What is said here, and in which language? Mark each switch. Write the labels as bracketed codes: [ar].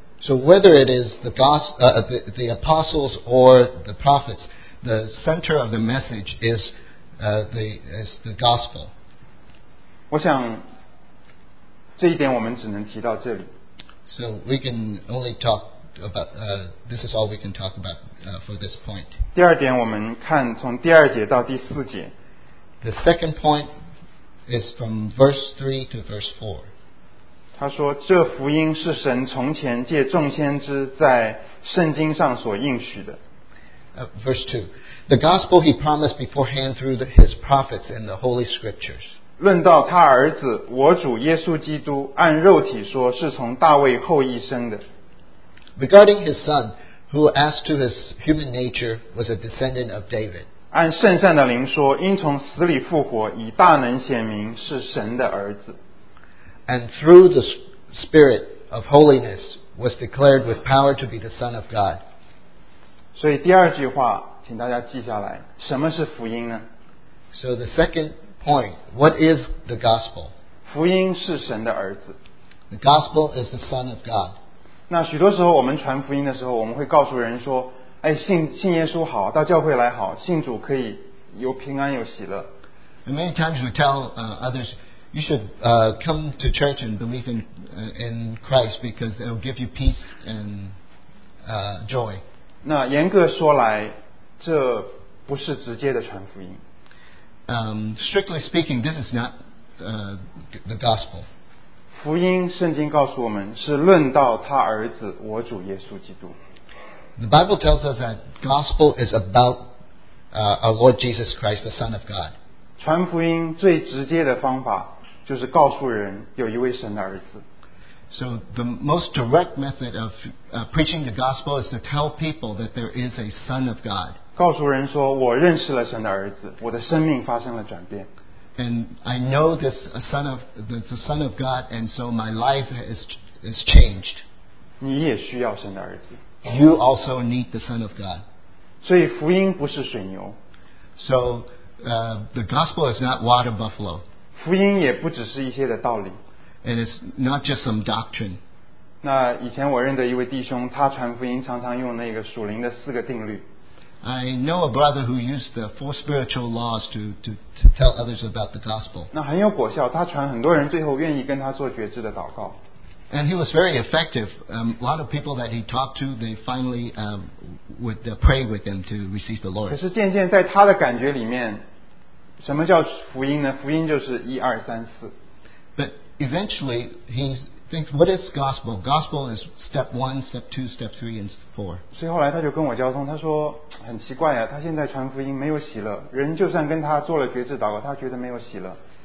[en] So whether it is the gospel, the apostles or the prophets, the center of the message is the gospel. [zh] 我想这一点我们只能提到这里。 [en] So we can only talk. This is all we can talk about for this point. [zh] 第二点我们看从第二节到第四节。 [en] The second point is from verse 3 to verse 4. [zh] 他说这福音是神从前借众先知在圣经上所应许的。 [en] Verse 2. The gospel he promised beforehand through his prophets in the holy scriptures. [zh] 论到他儿子我主耶稣基督按肉体说是从大卫后裔生的。 [en] Regarding his son, who as to his human nature was a descendant of David. [zh] 按圣善的灵说，因从死里复活，以大能显明是神的儿子。 [en] And through the spirit of holiness was declared with power to be the son of God. [zh] 所以第二句话，请大家记下来，什么是福音呢？ [en] So the second point, what is the gospel? [zh] 福音是神的儿子。 [en] The gospel is the son of God. [zh] 那许多时候我们传福音的时候，我们会告诉人说，哎，信耶稣好，到教会来好，信主可以有平安有喜乐。 [en] And many times we tell others, you should come to church and believe in Christ because it will give you peace and joy. [zh] 那严格说来，这不是直接的传福音。 [en] Strictly speaking, this is not the gospel. [zh] 福音圣经告诉我们是论到他儿子我主耶稣基督。 [en] The Bible tells us that gospel is about our Lord Jesus Christ, the Son of God. [zh] 传福音最直接的方法就是告诉人有一位神的儿子。 [en] So the most direct method of preaching the gospel is to tell people that there is a Son of God. [zh] 告诉人说我认识了神的儿子，我的生命发生了转变。 [en] And I know this son of the son of God, and so my life is changed. [zh] 你也需要神的儿子。 [en] You also need the son of God. [zh] 所以福音不是水牛。 [en] So the gospel is not water buffalo. [zh] 福音也不只是一些的道理。 [en] And it's not just some doctrine. [zh] 那以前我认得一位弟兄，他传福音常常用那个属灵的四个定律。 [en] I know a brother who used the four spiritual laws to tell others about the gospel. [zh] 那很有果效，他传很多人最后愿意跟他做决志的祷告。 [en] And he was very effective. A lot of people that he talked to, they finally would pray with him to receive the Lord. [zh] 可是渐渐在他的感觉里面，什么叫福音呢？福音就是一二三四。 [en] But eventually he thinks, what is gospel? Gospel is step one, step two, step three, and four. [zh] 所以后来他就跟我交通，他说。很奇怪啊，他现在传福音没有喜乐，人就算跟他做了决志祷告，他觉得没有喜乐。